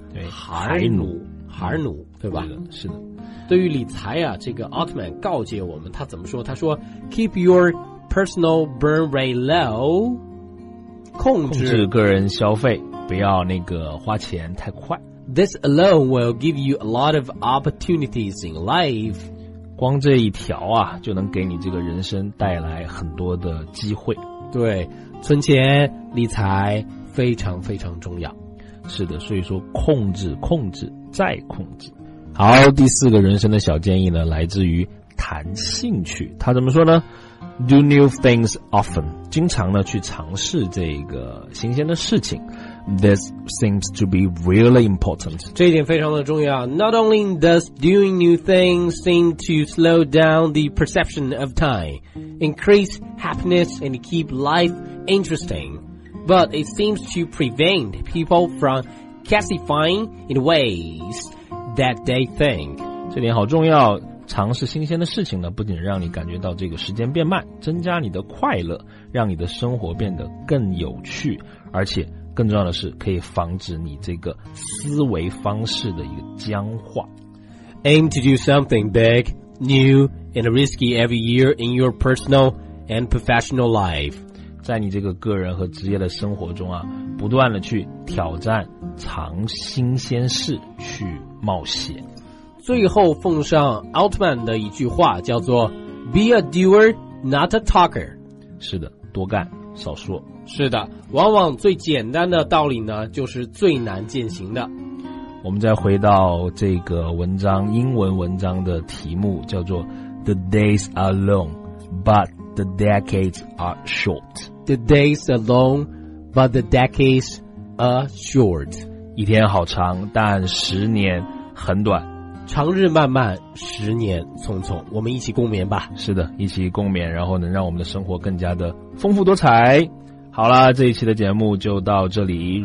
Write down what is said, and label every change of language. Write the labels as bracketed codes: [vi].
[zh] 对，孩奴，对吧？是的。对于理财啊，这个奥特曼告诫我们，他怎么说？他说 [en] ，keep your personal burn rate low， [zh] 控制个人消费，不要那个花钱太快。 [en] This alone will give you a lot of opportunities in life。 [zh] 光这一条啊，就能给你这个人生带来很多的机会。对，存钱理财非常非常重要。是的，所以说控制控制再控制。好，第四个人生的小建议呢，来自于谈兴趣。他怎么说呢？ [en] Do new things often， [zh] 经常呢去尝试这个新鲜的事情。 [en] This seems to be really important. [zh] 这一点非常的重要。 [en] Not only does doing new things seem to slow down the perception of time, increase happiness and keep life interesting, but it seems to prevent people from classifying in ways that they think. [zh] 这点好重要。尝试新鲜的事情呢，不仅让你感觉到这个时间变慢，增加你的快乐，让你的生活变得更有趣，而且更重要的是可以防止你这个思维方式的一个僵化。 [en] Aim to do something big, new and risky every year in your personal and professional life. [zh] 在你这个个人和职业的生活中啊，不断的去挑战，尝新鲜事，去冒险。最后奉上奥特曼的一句话，叫做 [en] Be a doer, not a talker. [zh] 是的，多干少说。是的，往往最简单的道理呢，就是最难践行的。我们再回到这个文章，英文文章的题目叫做 [en] The days are long, but the decades are short. The days are long, but the decades are short. [zh] 一天好长，但十年很短。长日漫漫，十年匆匆，我们一起共勉吧。是的，一起共勉，然后能让我们的生活更加的丰富多彩。好了，这一期的节目就到这里。